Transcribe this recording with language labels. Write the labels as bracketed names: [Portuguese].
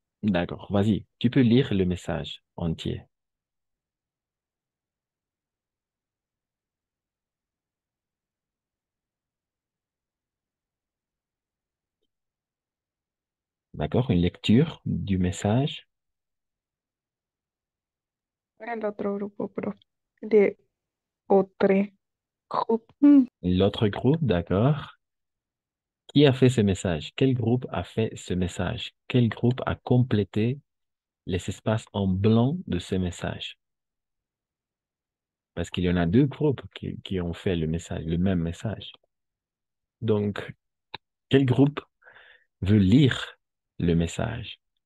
[French] D'accord, vas-y, tu peux lire le message entier. D'accord, une lecture du message. [Spanish] El otro grupo, pero de otro grupo. [French] L'autre groupe, d'accord. Qui a fait ce message? Quel groupe a fait ce message? Quel groupe a complété les espaces en blanc de ce message? Parce qu'il y en a deux groupes qui ont fait le message, le même message. Donc, quel groupe veut lire le message?